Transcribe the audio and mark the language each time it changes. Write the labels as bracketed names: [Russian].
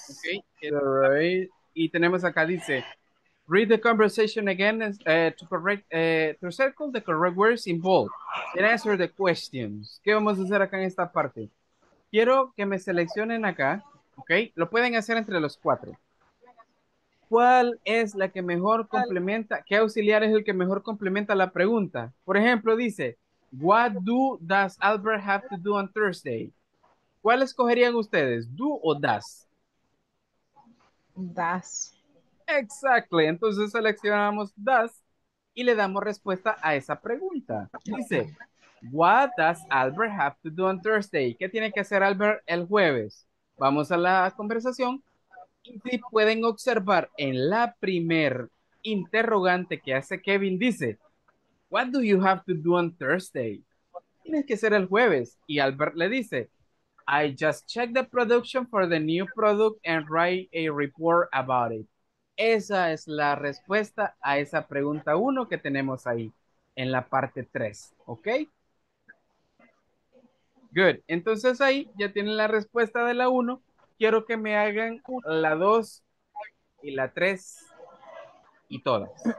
[English] Okay, right. [Spanish] Y tenemos acá dice, [English] read the conversation again to circle the correct words involved and answer the questions. [Spanish] ¿Qué vamos a hacer acá en esta parte? Quiero que me seleccionen acá, okay? Lo pueden hacer entre los cuatro. ¿Cuál es la que mejor complementa? ¿Qué auxiliar es el que mejor complementa la pregunta? Por ejemplo, dice, [English] what do does Albert have to do on Thursday? [Spanish] ¿Cuál escogerían ustedes? ¿Do o does? [English] Does. Exactly. [Spanish] Entonces seleccionamos does y le damos respuesta a esa pregunta. [English] Dice, what does Albert have to do on Thursday? [Spanish] ¿Qué tiene que hacer Albert el jueves? Vamos a la conversación. Y si pueden observar en la primer interrogante que hace Kevin, dice, [English] what do you have to do on Thursday? [Spanish] Tienes que ser el jueves. Y Albert le dice, [English] I just checked the production for the new product and write a report about it. [Spanish] Esa es la respuesta a esa pregunta 1 que tenemos ahí en la parte 3. ¿Ok? Good. Entonces ahí ya tienen la respuesta de la 1. Quiero que me hagan la 2 y la 3 y todas.